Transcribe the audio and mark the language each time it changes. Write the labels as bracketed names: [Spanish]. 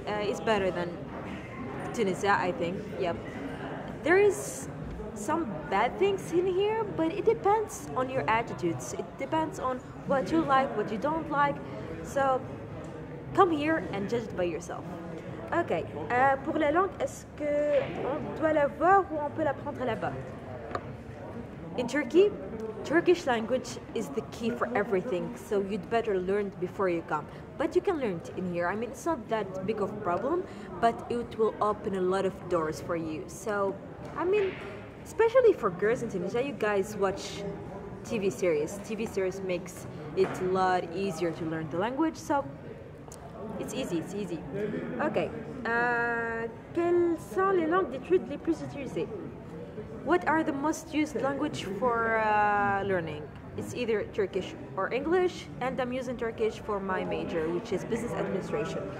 [English] It's better than Tunisia, I think. Yep. There is some bad things in here, but it depends on your attitudes. It depends on what you like, what you don't like. So, come here and judge it by yourself. Okay. [French] Pour la langue, est-ce que on doit l'avoir ou on peut l'apprendre là-bas? [English] In Turkey, Turkish language is the key for everything, so you'd better learn it before you come. But you can learn it in here. I mean, it's not that big of a problem, but it will open a lot of doors for you. So, I mean, especially for girls in Tunisia, you guys watch TV series. TV series makes it a lot easier to learn the language, so it's easy. Okay. [French] Quelles sont les langues d'études les plus utilisées? [English] What are the most used language for learning? It's either Turkish or English, and I'm using Turkish for my major, which is business administration.